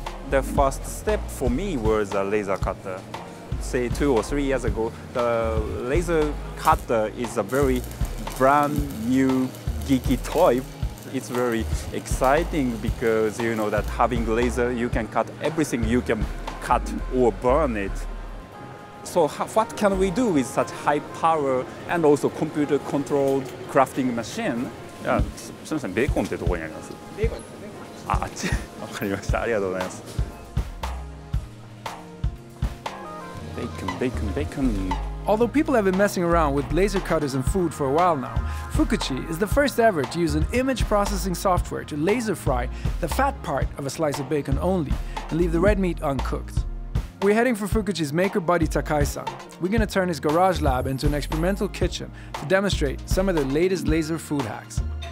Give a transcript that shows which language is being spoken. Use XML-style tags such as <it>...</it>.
<en>The first step for me was a laser cutter. Say 2 or 3 years ago, the laser cutter is a very brand new geeky toy. It's very exciting because you know that having laser, you can cut everything, you can cut or burn it. So what can we do with such high power and also computer controlled crafting machine?</en> <ja>すみません、ベーコンってどこにあります？ベーコンですね。あっち、わかりました。ありがとうございます。ベーコン、ベーコン、ベーコン。</ja> <en>Although people have been messing around with laser cutters and food for a while now, Fukuchi is the first ever to use an image processing software to laser fry the fat part of a slice of bacon only and leave the red meat uncooked. We're heading for Fukuchi's maker buddy Takai-san. We're going to turn his garage lab into an experimental kitchen to demonstrate some of the latest laser food hacks.</en>